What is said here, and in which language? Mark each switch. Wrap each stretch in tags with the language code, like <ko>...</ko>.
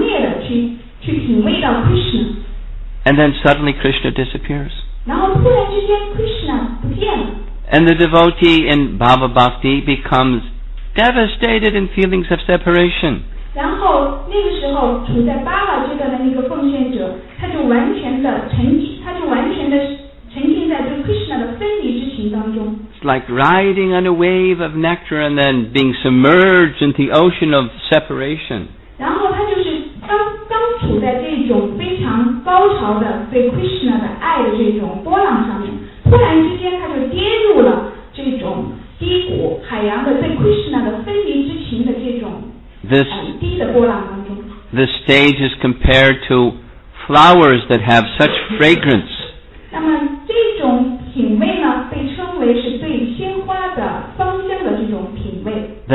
<en>And then suddenly Krishna disappears. And the devotee in Bhava Bhakti becomes devastated in feelings of separation.</en> <zh>然后那个时候处在巴瓦阶段的那个奉献者，他就完全的沉浸，他就完全的沉浸在这个 Krishna 的分离之情当中。</zh> <en>It's like riding on a wave of nectar and then being submerged into the ocean of separation.</en> <zh>然后他就是刚处在这种非常高潮的对 Krishna 的爱的这种波浪上面，突然之间他就跌入了这种低谷海洋的对 Krishna 的分离之情的这种低的波浪当中。</zh> <en>The stage is compared to flowers that have such fragrance.</en> <zh>那么这种品味呢，被称为是对鲜花的芳香的这种品味。</zh>